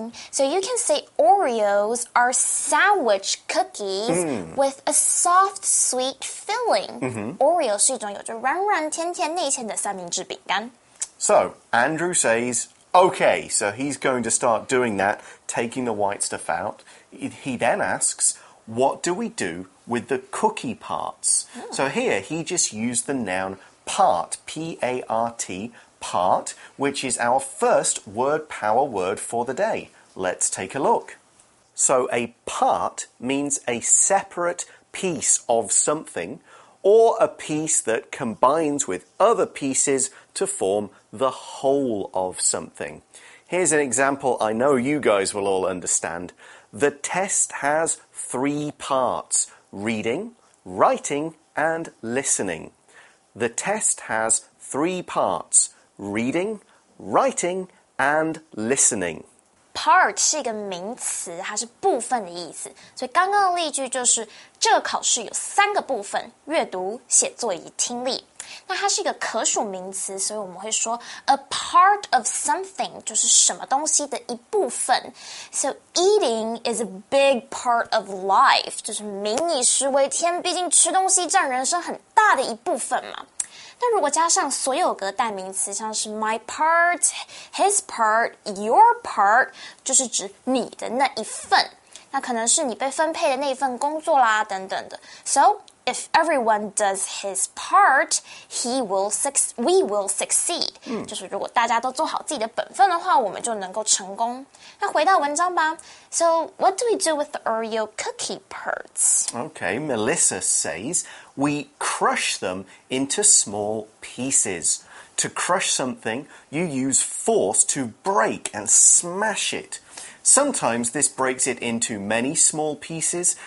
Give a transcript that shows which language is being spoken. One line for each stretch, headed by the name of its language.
English: So you can say Oreos are sandwich cookies with a soft sweet filling.
Chinese: Oreo 是一种有着软软甜甜内馅的三明治饼干。
English: So Andrew says, okay, so he's going to start doing that, taking the white stuff out. He then asks, what do we do with the cookie parts? Oh. So here, he just used the noun part, P-A-R-T, part, which is our first word power word for the day. Let's take a look. So a part means a separate piece of something, or a piece that combines with other pieces to form the whole of something. Here's an example I know you guys will all understand. The test has three parts, reading, writing, and listening. The test has three parts, reading, writing, and listening.
Chinese: Part 是一个名词，它是部分的意思。所以刚刚的例句就是，这个考试有三个部分，阅读、写作以及听力。那它是一个可数名词，所以我们会说
English: a part of something
Chinese: 就是什么东西的一部分。
English: So eating is a big part of life,
Chinese: 就是民以食为天，毕竟吃东西占人生很大的一部分嘛。那如果加上所有格代名词，像是
English: my part, his part, your part,
Chinese: 就是指你的那一份，那可能是你被分配的那一份工作啦等等的。
English: So,If everyone does his part, we will succeed.
Chinese: 就是如果大家都做好自己的本分的话，我们就能够成功。那回到文章吧。
English: So, what do we do with the Oreo cookie parts? Okay, Melissa says, we crush them into small pieces. To crush something, you use force to break and smash it. Sometimes this breaks it into many small pieces.